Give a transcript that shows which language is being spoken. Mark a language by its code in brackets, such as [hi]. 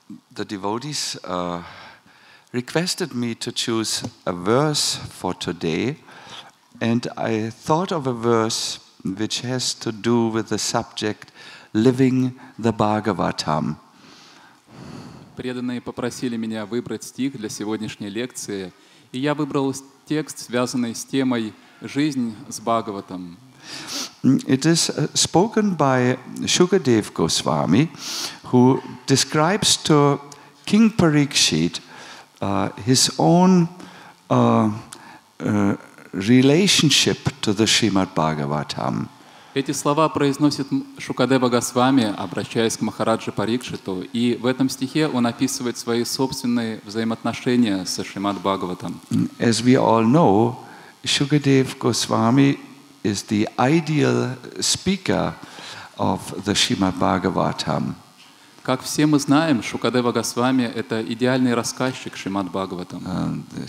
[en] The devotees requested me to choose a verse for today, and I thought of a verse which has to do with the subject living the Bhagavatam. [ru] Преданные попросили меня выбрать стих для сегодняшней лекции, и я выбрал текст, связанный с темой жизнь с Бхагаватам. [en] It is spoken by Shukadev Goswami, who describes to King Parikshit his own relationship to the Shrimad Bhagavatam. [ru] Эти слова произносит Шукадева Госвами, обращаясь к Махараджи Парикшиту, и в этом стихе он описывает свои собственные взаимоотношения со Шримад Бхагаватам. [en] As we all know, Shukadev Goswami is the ideal speaker of the Shrimad Bhagavatam. [ru] Как все мы знаем, Шукадева Госвами — это идеальный рассказчик Шримад Бхагаватам.